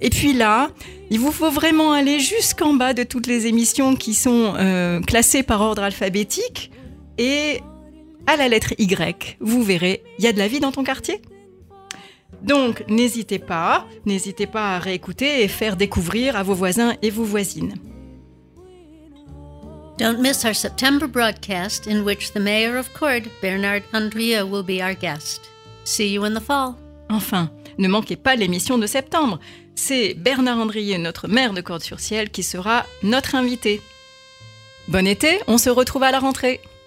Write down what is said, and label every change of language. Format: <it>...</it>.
<fr>Et puis là, il vous faut vraiment aller jusqu'en bas de toutes les émissions qui sont classées par ordre alphabétique. Et à la lettre Y, vous verrez, il y a de la vie dans ton quartier. Donc, n'hésitez pas à réécouter et faire découvrir à vos voisins et vos voisines.</fr> <en>Don't miss our September broadcast in which the mayor of Cord, Bernard Andrieu, will be our guest. See you in the fall.</en> <fr>Enfin, ne manquez pas l'émission de septembre. C'est Bernard Andrieu, notre maire de Cordes-sur-Ciel, qui sera notre invité. Bon été, on se retrouve à la rentrée.</fr>